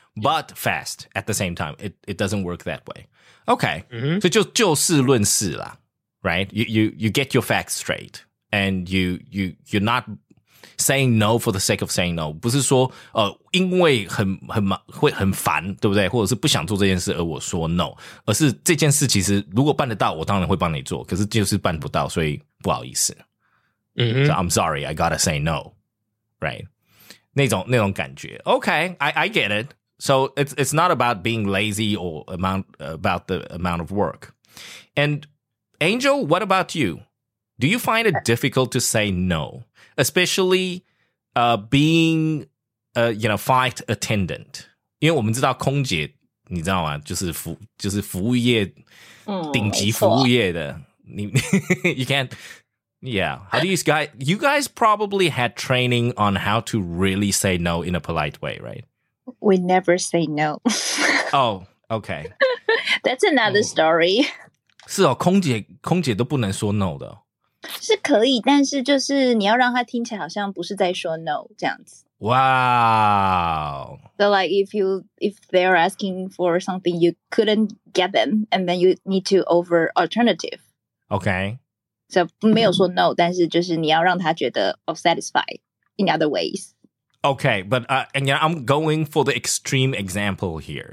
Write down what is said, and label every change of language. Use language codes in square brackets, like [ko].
[en] But fast at the same time， it doesn't work that way， okay，、 mm-hmm. [zh] 所以就事论事啦。 [en] Right, you get your facts straight, and you're not saying no for the sake of saying no. [zh] 不是说因为很烦，对不对？或者是不想做这件事而我说 no， 而是这件事其实如果办得到，我当然会帮你做。可是就是办不到，所以不好意思。 Mm-hmm. [en] So I'm sorry, I gotta say no. Right, [zh] 那种感觉。 [en] Okay, I get it. So it's not about being lazy or about the amount of work, and. Angel, what about you? Do you find it difficult to say no? Especially being, you know, flight attendant. [zh] 因为我们知道空姐，你知道吗？就是服务业，顶级服务业的。 [en] You can't, yeah. How do you guys probably had training on how to really say no in a polite way, right? We never say no. Oh, okay. That's another story. [zh] 是哦，空姐都不能说 no 的，是可以，但是就是你要让他听起来好像不是在说 no 这样子。哇、wow. [en] ！So like if they're asking for something you couldn't get them, and then you need to offer alternative. Okay. [zh] So 没有说 no， 但是就是你要让他觉得 [en] of satisfied in other ways. Okay, but and yeah, I'm going for the extreme example here.